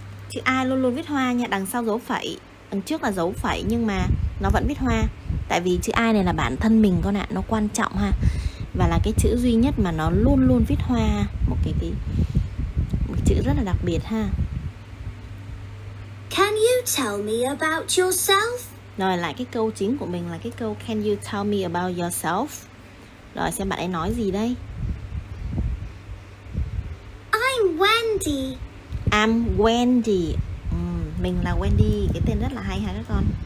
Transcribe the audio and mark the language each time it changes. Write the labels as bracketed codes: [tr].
[vi] Chữ I luôn luôn viết hoa nha, đằng sau dấu phẩy, đằng trước là dấu phẩy nhưng mà nó vẫn viết hoa. Tại vì chữ I này là bản thân mình con ạ, nó quan trọng ha. Và là cái chữ duy nhất mà nó luôn luôn viết hoa, một chữ rất là đặc biệt ha. [en] Can you tell me about yourself? [vi] Rồi lại cái câu chính của mình là cái câu [en] can you tell me about yourself? [vi] Rồi xem bạn ấy nói gì đây. [en] I'm Wendy. I'm Wendy. [vi] Mình là Wendy, cái tên rất là hay ha các con.